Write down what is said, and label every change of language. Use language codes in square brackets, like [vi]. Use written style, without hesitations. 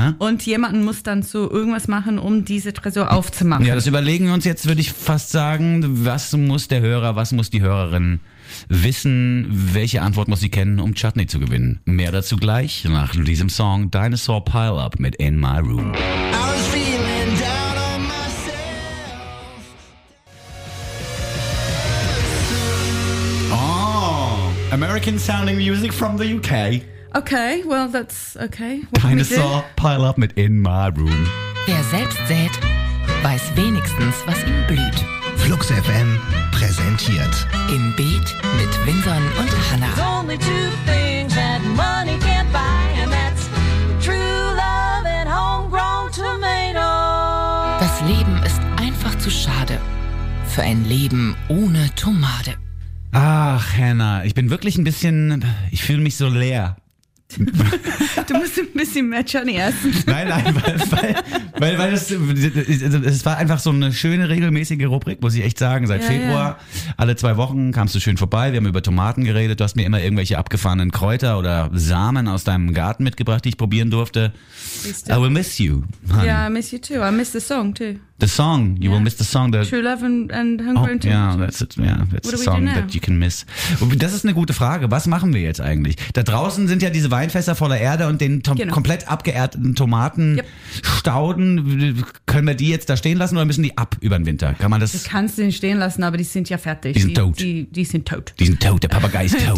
[de] Und jemand muss dann so irgendwas machen, um diese Tresor aufzumachen. Ja, das überlegen wir uns jetzt, würde ich fast sagen. Was muss der Hörer, was muss die Hörerin wissen, welche Antwort muss sie kennen, um Chutney zu gewinnen? Mehr dazu gleich nach diesem Song Dinosaur Pileup mit In My Room. [en] I was feeling down on myself. Oh, American sounding music from the UK. Okay, well that's okay. What Dinosaur Pileup mit In My Room. [de] Wer selbst sät, weiß wenigstens, was ihm blüht. Flux FM präsentiert Im Beat mit Vinson und Hannah. There's only two things that money can't buy, and that's true love and homegrown tomato. Das Leben ist einfach zu schade für ein Leben ohne Tomate. Ach, Hannah, ich bin wirklich ein bisschen, ich fühle mich so leer. Du musst ein bisschen mehr Chutney essen. Nein, weil es war einfach so eine schöne regelmäßige Rubrik, muss ich echt sagen. Seit Februar, alle zwei Wochen kamst du schön vorbei, wir haben über Tomaten geredet, du hast mir immer irgendwelche abgefahrenen Kräuter oder Samen aus deinem Garten mitgebracht, die ich probieren durfte. [en] I will miss you, honey. Yeah, I miss you too, I miss the song too. The song, you will miss the song. The True Love and Hungry and That's the song that you can miss. [de] Das ist eine gute Frage. Was machen wir jetzt eigentlich? Da draußen sind ja diese Weinfässer voller Erde und den komplett abgeernteten Tomatenstauden. Yep. Können wir die jetzt da stehen lassen oder müssen die ab über den Winter? Kann man das? Du kannst den stehen lassen, aber die sind ja fertig. Die sind tot. Die sind tot. Die sind tot, der Papagei ist tot.